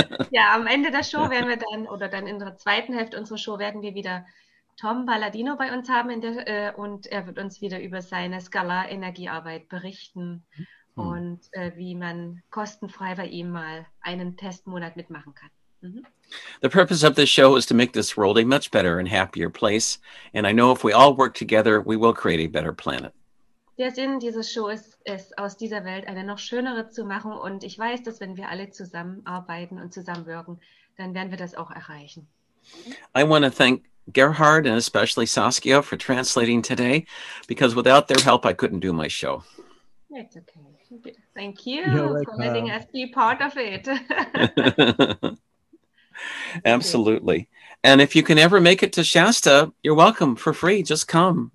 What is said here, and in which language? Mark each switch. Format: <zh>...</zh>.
<de>Ja, am Ende der Show werden wir dann, oder dann in der zweiten Hälfte unserer Show werden wir wieder Tom Paladino bei uns haben und er wird uns wieder über seine Skalar-Energiearbeit berichten und wie man kostenfrei bei ihm mal einen Testmonat mitmachen kann.</de> <en>The purpose of this show is to make this world a much better and happier place. And I know if we all work together, we will create a better planet.</en> <de>Der Sinn dieser Show ist es, aus dieser Welt eine noch schönere zu machen und ich weiß, dass wenn wir alle zusammenarbeiten und zusammenwirken, dann werden wir das auch erreichen.</de> <en>I want to thank Gerhard and especially Saskia for translating today, because without their help, I couldn't do my show. It's okay. Thank you for letting You're us be part of it. welcome. Thank you. Absolutely. And if you can ever make it to Shasta, you're welcome for free. Just come.</en>